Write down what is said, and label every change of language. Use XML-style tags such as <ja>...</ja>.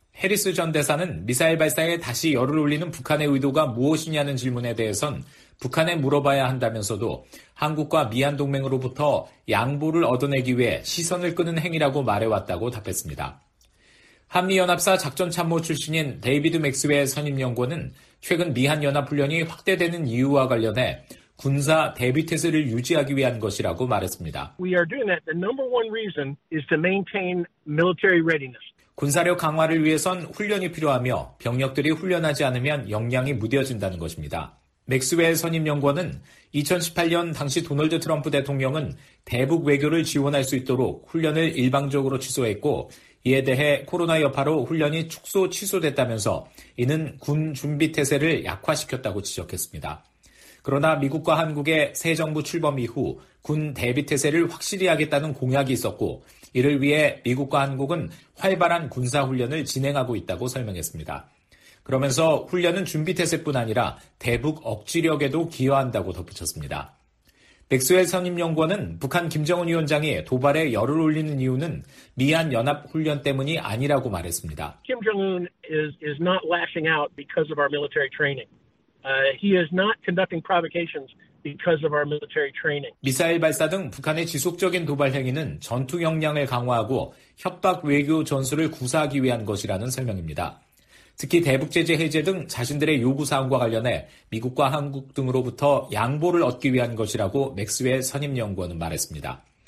<ko>해리스 전 대사는 미사일 발사에 다시 열을 올리는 북한의 의도가 무엇이냐는 질문에 대해선 북한에 물어봐야 한다면서도 한국과 미한동맹으로부터 양보를 얻어내기 위해 시선을 끄는 행위라고 말해왔다고 답했습니다. 한미연합사 작전참모 출신인 데이비드 맥스웨어 선임연구원은 최근 미한연합훈련이 확대되는 이유와 관련해 군사 대비태세를 유지하기 위한 것이라고 말했습니다.</ko> <en>We are doing that. The number one reason is to maintain military readiness.</en> <ko>군사력 강화를 위해선 훈련이 필요하며 병력들이 훈련하지 않으면 역량이 무뎌진다는 것입니다. 맥스웰 선임연구원은 2018년 당시 도널드 트럼프 대통령은 대북 외교를 지원할 수 있도록 훈련을 일방적으로 취소했고 이에 대해 코로나 여파로 훈련이 축소 취소됐다면서 이는 군 준비태세를 약화시켰다고 지적했습니다. 그러나 미국과 한국의 새 정부 출범 이후 군 대비태세를 확실히 하겠다는 공약이 있었고 이를 위해 미국과 한국은 활발한 군사훈련을 진행하고 있다고 설명했습니다. 그러면서 훈련은 준비태세뿐 아니라 대북 억지력에도 기여한다고 덧붙였습니다. 맥스웰 선임연구원은 북한 김정은 위원장이 도발에 열을 올리는 이유는 미한 연합 훈련 때문이 아니라고 말했습니다.</ko> <en>Kim Jong-un is not lashing out because of our military training. He is not conducting provocations because of our military training.</en> <ko>미사일 발사 등 북한의 지속적인 도발 행위는 전투 역량을 강화하고 협박 외교 전술을 구사하기 위한 것이라는 설명입니다. 특히 대북 제재 해제 등 자신들의 요구 사항과 관련해 미국과 한국 등으로부터 양보를 얻기 위한 것이라고 맥스웰 선임 연구원은 말했습니다.</ko>